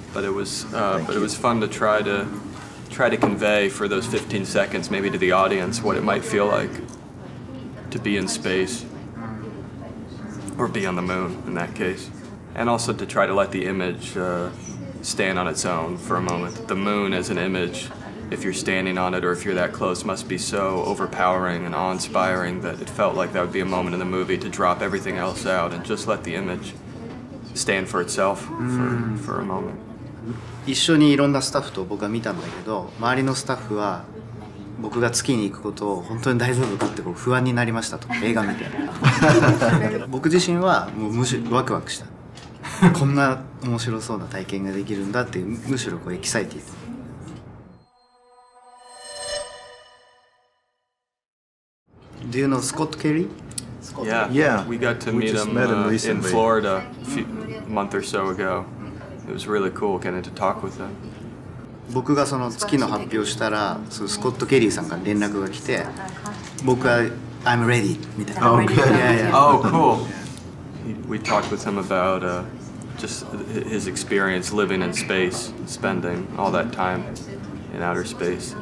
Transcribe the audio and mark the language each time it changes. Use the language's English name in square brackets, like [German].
[English] But it was fun to try to convey for those 15 seconds, maybe to the audience, what it might feel like to be in space or be on the moon in that case, and also to try to let the image stand on its own for a moment. The moon as an image. If you're standing on it or if you're that close, must be so overpowering and awe-inspiring that it felt like that would be a moment in the movie to drop everything else out and just let the image stand for itself for a moment. [Japanese] 一緒にいろんなスタッフと僕は見たんだけど、周りのスタッフは僕が月に行くことを本当に大丈夫かってこう不安になりましたと、映画みたいな。僕自身はもうむしろワクワクした。こんな面白そうな体験ができるんだってむしろこうエキサイティー。 [English] Do you know Scott Carey? Yeah, we got to meet him, in Florida a month or so ago. It was really cool getting to talk with him. [Japanese] 僕がその月の発表したら、そのスコット・ケリーさんから連絡が来て、僕は、 [English] I'm ready, [Japanese] みたいな。 [English] Oh, good. Yeah. Oh, cool. We talked with him about just his experience living in space, spending all that time in outer space.